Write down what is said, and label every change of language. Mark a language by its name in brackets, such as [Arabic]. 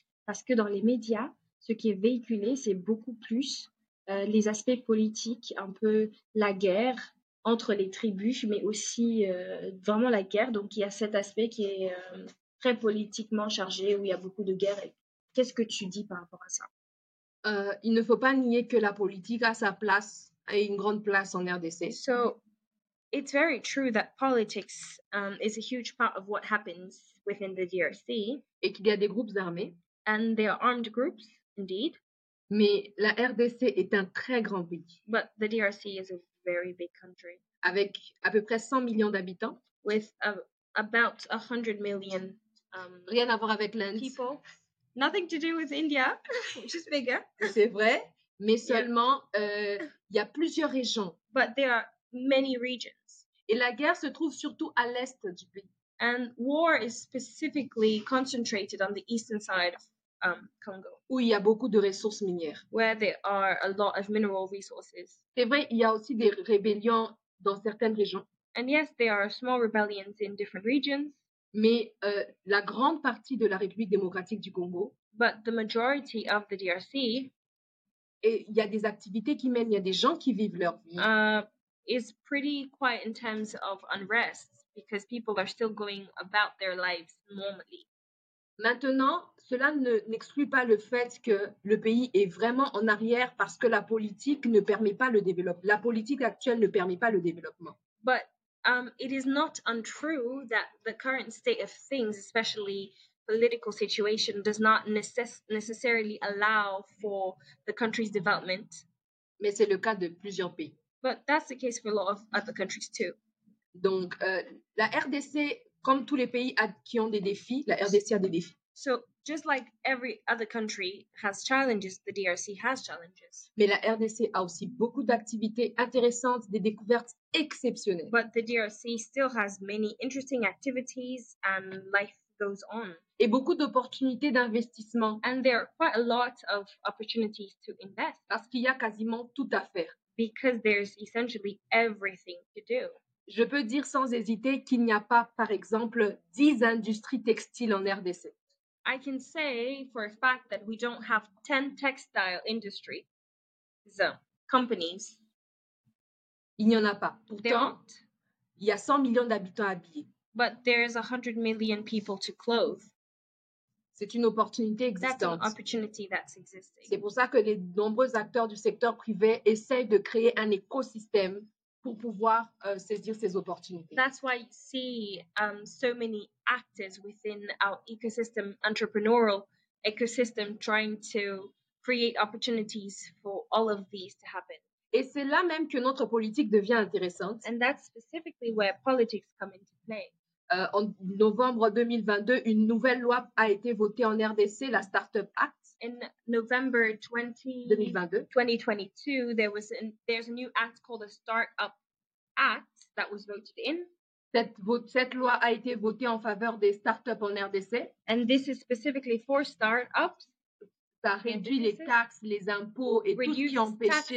[French] Parce que dans les médias, ce qui est véhiculé, c'est beaucoup plus les aspects politiques, un peu la guerre entre les tribus, mais aussi vraiment la guerre. Donc, il y a cet aspect qui est très politiquement chargé, où il y a beaucoup de guerres et Qu'est-ce que tu dis par rapport à ça? Il ne faut pas nier que la politique a sa place et une grande place en RDC. [English] So, it's very true that politics is a huge part of what happens within the DRC. [French] Et qu'il y a des groupes armés. [English] And there are armed groups, indeed. [French] Mais la RDC est un très grand pays. [English] But the DRC is a very big country. [French] Avec à peu près 100 millions d'habitants. [English] With about 100 million [French] Rien à voir avec l'Inde. [English] People. Nothing to do with India, just bigger. [French] C'est vrai, mais seulement, il y a plusieurs régions. [English] But there are many regions. [French] Et la guerre se trouve surtout à l'est du pays. [English] And war is specifically concentrated on the eastern side of Congo. [French] Où il y a beaucoup de ressources minières. [English] Where there are a lot of mineral resources. [French] C'est vrai, il y a aussi des rébellions dans certaines régions. [English] And yes, there are small rebellions in different regions. [French] Mais la grande partie de la République démocratique du Congo. [English] But the majority of the DRC. [French] Et il y a des activités qui mènent, il y a des gens qui vivent leur vie. [English] Is pretty quiet in terms of unrest because people are still going about their lives normally. [French] Maintenant, cela n'exclut pas le fait que le pays est vraiment en arrière parce que la politique ne permet pas le développement. La politique actuelle ne permet pas le développement. [English] But it is not untrue that the current state of things, especially political situation, does not necessarily allow for the country's development. [French] Mais c'est le cas de plusieurs pays. [English] But that's the case for a lot of other countries too. [French] Donc, la RDC, comme tous les pays qui ont des défis, la RDC a des défis. [English] So, just like every other country has challenges, the DRC has challenges. [French] Mais la RDC a aussi beaucoup d'activités intéressantes, des découvertes exceptionnelles. [English] But the DRC still has many interesting activities and life goes on. [French] Et beaucoup d'opportunités d'investissement. [English] And there are quite a lot of opportunities to invest. [French] Parce qu'il y a quasiment tout à faire. [English] Because there's essentially everything to do. [French] Je peux dire sans hésiter qu'il n'y a pas, par exemple, 10 industries textiles en RDC. [English] I can say for a fact that we don't have 10 textile industry companies. [French] Il n'y en a pas. Pourtant, il y a 100 millions d'habitants habillés. [English] But there's 100 million people to clothe. [French] C'est une opportunité existante. [English] That's an opportunity that's existing. [French] C'est pour ça que les nombreux acteurs du secteur privé essayent de créer un écosystème pour pouvoir saisir ces opportunités. [English] That's why you see so many actors within our ecosystem, entrepreneurial ecosystem, trying to create opportunities for all of these to happen. [French] Et c'est là même que notre politique devient intéressante. [English] And that's specifically where politics come into play. [French] En novembre 2022, une nouvelle loi a été votée en RDC, la Startup Act. [English] In November 2022, there's a new act called the Startup Act that was voted in. [French] Cette loi a été votée en faveur des startups en RDC. [English] And this is specifically for startups. [French] Ça réduit les taxes, les impôts et tout ce qui empêchait.